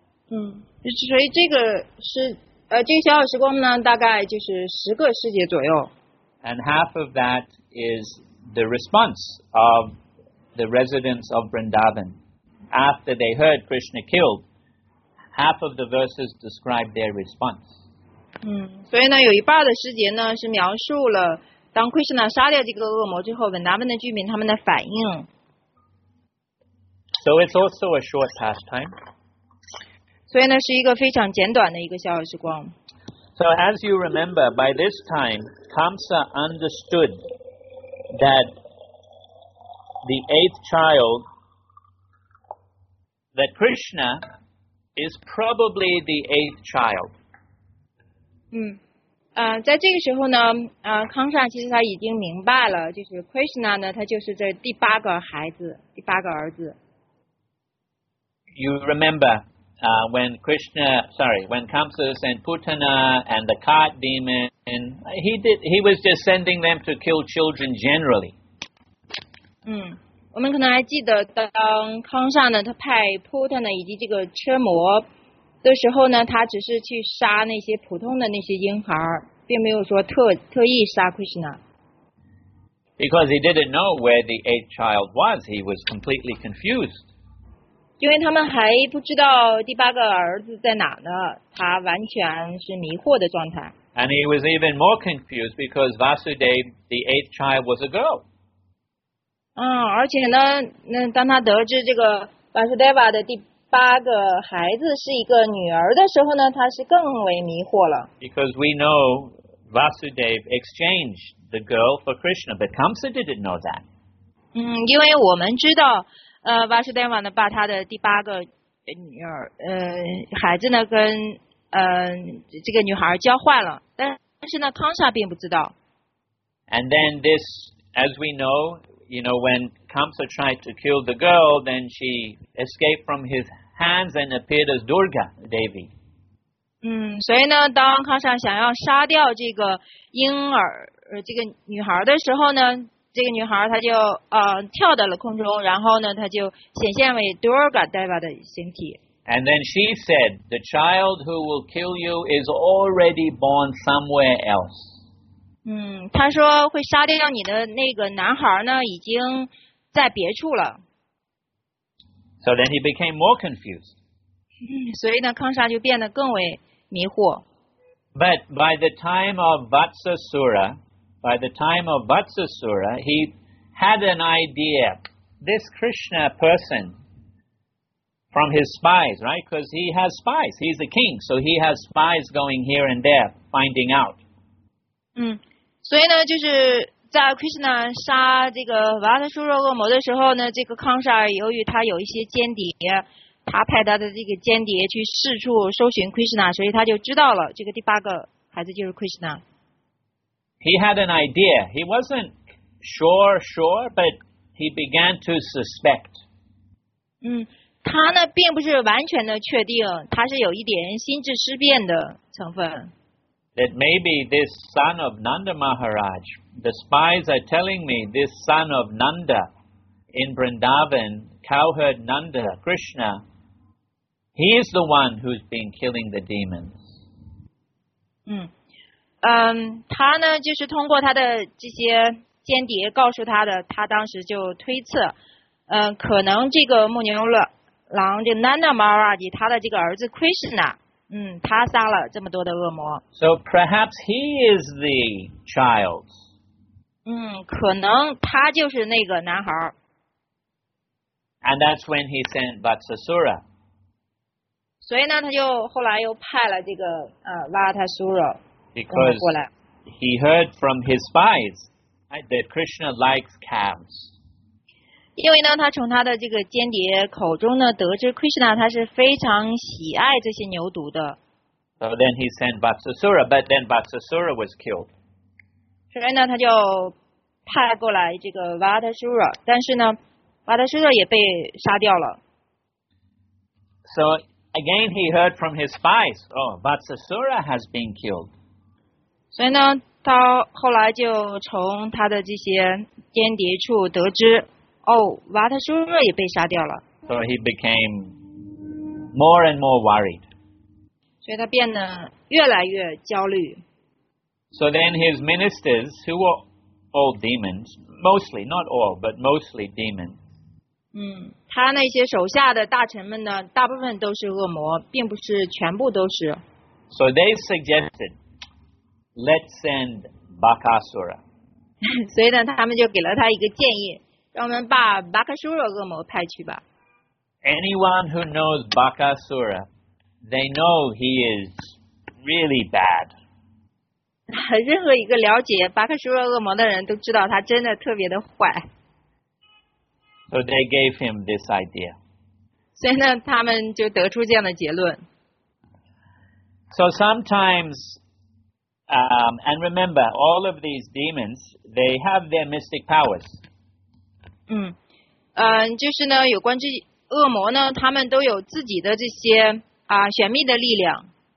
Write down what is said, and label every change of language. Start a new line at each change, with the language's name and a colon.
Chinese: 所以这个是这个小小时光呢，大概就是十个世界左右。
English: And half of that is the response of the residents of Vrindavan. After they heard Krishna killed, half of the verses describe their response.
Chinese: 所以呢，有一半的时节呢，是描述了当 Krishna 杀掉这个恶魔之后，文达文的居民他们的反应。
English: So it's also a short pastime.
Chinese: 所以呢，是一个非常简短的一个逍遥时光。
English: So as you remember, by this time, Kamsa understood that the eighth child, that Krishna is probably the eighth child.
Chinese: 在这个时候呢，康萨其实他已经明白了，就是 Krishna 呢，他就是这第八个孩子，第八个儿子。
English: You remember, when Kamsa sent Putana and the cart demon, he was just sending them to kill children generally.
Chinese: 我们可能还记得，当康萨呢，他派普特呢以及这个车魔的时候呢，他只是去杀那些普通的那些婴孩，并没有说特意杀 Krishna。
English: Because he didn't know where the eighth child was, he was completely confused.
Chinese: 因为他们还不知道第八个儿子在哪呢，他完全是迷惑的状态。
English: And he was even more confused because Vasudev, the eighth child, was a girl.
Chinese: 而且呢，那当他得知这个 Vasudeva 的第八个孩子是一个女儿的时候呢，他是更为迷惑了。
English: Because we know Vasudev exchanged the girl for Krishna, but Kamsa didn't know that.
Chinese: 因为我们知道，Vasudeva 呢把他的第八个女儿，孩子呢跟这个女孩交换了，但是呢，Kamsa并不知道。
English: And then this, as we know. You know, when Kamsa tried to kill the girl, then she escaped from his hands and appeared as Durga Devi.
Chinese: 所以呢，当康萨想要杀掉这个婴儿，这个女孩的时候呢，这个女孩她就跳到了空中，然后呢，她就显现为 Durga Deva 的形体。
English: And then she said, the child who will kill you is already born somewhere else.
Chinese: 她说会杀掉你的那个男孩呢已经在别处了。
English: So then he became more confused.
Chinese: 所以呢康莎就变得更为迷惑。
English: But by the time of Vatsasura, he had an idea. This Krishna person from his spies, right? Because he has spies. He's a king, so he has spies going here and there, finding out.
Chinese: 所以呢，就是在 Krishna 杀这个 Vatsasura 恶魔的时候呢，这个康莎由于他有一些间谍。他派他的这个间谍去四处搜寻 Krishna， 所以他就知道了这个第八个孩子就是 Krishna。
English: He had an idea. He wasn't sure, but he began to suspect.
Chinese: 他呢并不是完全的确定，他是有一点心智思辨的成分。
English: That maybe this son of Nanda Maharaj, the spies are telling me this son of Nanda in Vrindavan, cowherd Nanda Krishna. He is the one who's been killing the demons.
Chinese: 他呢就是通过他的这些间谍告诉他的，他当时就推测，可能这个牧牛郎这 Nanda Maharaj 他的这个儿子 Krishna， 他杀了这么多的恶魔。
English: So perhaps he is the child.
Chinese: 可能他就是那个男孩。
English: And that's when he sent Vatsasura.
Chinese: 所以呢，他就后来又派了这个瓦塔苏拉过来。
English: Because he heard from his spies, right, that Krishna likes calves.
Chinese: 因为呢，他从他的这个间谍口中呢得知 Krishna 他是非常喜爱这些牛犊的。
English: So then he sent Vatsasura, but then Vatsasura was killed.
Chinese: 所以呢，他就派过来这个瓦塔苏拉，但是呢，瓦塔苏拉也被杀掉了。
English: So. Again, he heard from his spies. Oh, Vatsasura has been killed.
Chinese: 所以呢，他后来就从他的这些间谍处得知，哦，瓦塔苏拉也被杀掉了。
English: So he became more and more worried.
Chinese: 所以他变得越来越焦虑。
English: So then his ministers, who were all demons, mostly, not all, but mostly demons.
Chinese: 他那些手下的大臣们呢大部分都是恶魔并不是全部都是
English: So they suggested Let's send Bakasura
Chinese: 所以呢他们就给了他一个建议让我们把 Bakasura 恶魔派去吧
English: Anyone who knows Bakasura They know he is really bad
Chinese: 任何一个了解 Bakasura 恶魔的人都知道他真的特别的坏
English: So they gave him this idea.
Chinese: 所以呢，他们就得出这样的结论。
English: So sometimes, and remember, all of these demons, they have their mystic powers.
Chinese: 就是呢，有关这恶魔呢，他们都有自己的这些玄秘的力量。